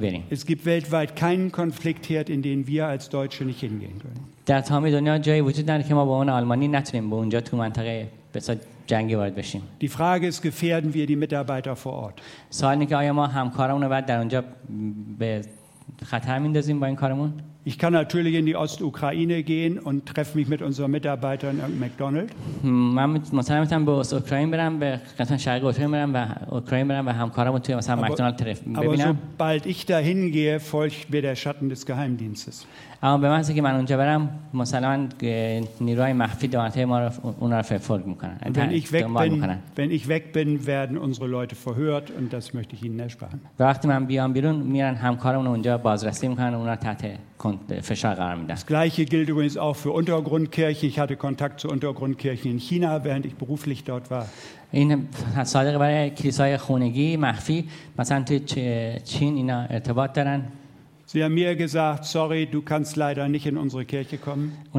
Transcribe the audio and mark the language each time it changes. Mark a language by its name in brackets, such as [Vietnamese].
[German] Es gibt weltweit keinen Konfliktherd, in den wir als Deutsche nicht hingehen können. [Persian] در تمام دنیا جایی وجود نداره که ما با اون آلمانی نتونیم به اونجا تو منطقه بسیار جنگی وارد بشیم. [German] Die Frage ist, gefährden wir die Mitarbeiter vor Ort? [Persian] سوالی که آیا ما همکارمون رو بعد در اونجا به خطر میندازیم با این کارمون؟ [German] Ich kann natürlich in die Ostukraine gehen und treffe mich mit unseren Mitarbeitern am McDonald's. [Persian] من میتونم به اوکراین برم به قسمت شرقی اوکراین برم و همکارمون توی مثلا مکدونالد ببینم. [German] Aber sobald ich dahin gehe, folgt mir der Schatten des Geheimdienstes. [Persian] اما به محضی که من اونجا برم مسلما نیروهای مخفی دولتی ما اون را فولد میکنن [German] wenn ich weg bin werden unsere leute verhört und das möchte ich ihnen ersparen [Persian] وقتی من بیام بیرون میرن همکارمون اونجا بازرسی میکنن اون را تحت فشار قرار میدن [German] das gleiche gilt übrigens auch für untergrundkirche ich hatte kontakt zu untergrundkirchen in china während ich beruflich dort war [Persian] این صادق برای کلیسای خونگی مخفی مثلا تو چین اینا ارتباط دارن [German] Sie haben mir gesagt, sorry, du kannst leider nicht in unsere Kirche kommen.